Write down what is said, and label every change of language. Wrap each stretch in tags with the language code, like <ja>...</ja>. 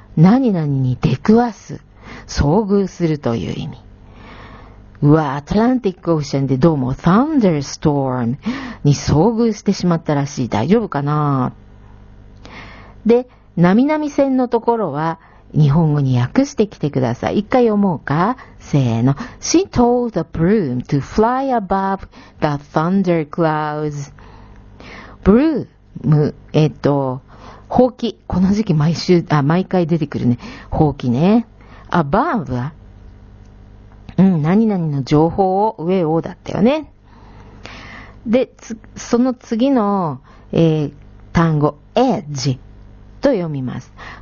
<ja>何々に出くわす。遭遇するという意味。うわ、アトランティックオーシャンでどうも、thunderstorm に遭遇してしまったらしい。大丈夫かな？で、波々線のところは、日本語に訳してきてください。一回読もうか？せーの。</ja> <en>She told the broom to fly above the thunder clouds.</en> <ja>ブルーム、ほうき。この時期毎回出てくるね。ほうきね。above は？何々の情報を、上をだったよね。で、その次の、単語、edge と読みます。</ja>